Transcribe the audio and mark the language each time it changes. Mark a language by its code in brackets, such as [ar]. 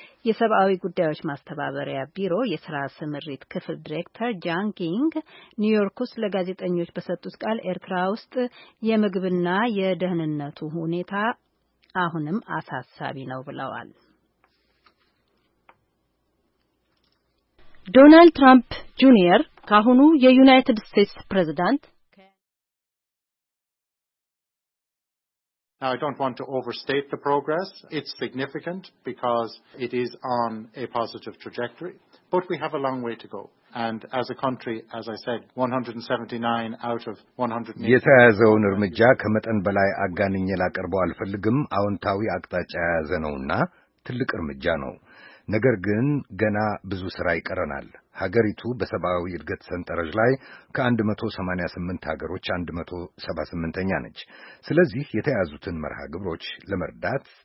[am] የሰብአዊ ጉዳዮች ማስተባበሪያ ቢሮ የስራ ስምሪት ክፍል ዲሬክተር ጃን ጊንግ ኒውዮርክ ውስጥ ለጋዜጠኞች በሰጡት ቃል ኤርትራ ውስጥ የምግብና የደህንነቱ ሁኔታ አሁንም አሳሳቢ ነው ብለዋል። ዶናልድ ትራምፕ ጁኒየር ካሁኑ የዩናይትድ ስቴትስ ፕሬዝዳንት [en] Now, I don't want to overstate the progress. It's significant because it is on a positive trajectory. But we have a long way to go. And as a country, as I said, 179 out of 180... [am] የተያዘውን እርምጃ ከመጠን በላይ አጋንኝ ላቀርበው አልፈልግም። አዎንታዊ አቅጣጫ የያዘ ነውና ትልቅ እርምጃ ነው። ነገር ግን ገና ብዙ ሥራ ይቀረናል። ሀገሪቱ በሰብአዊ እድገት ሰንጠረዥ ላይ ከ188 ሀገሮች 178ኛ ነች። ስለዚህ የተያዙትን መርሃ ግብሮች ለመርዳት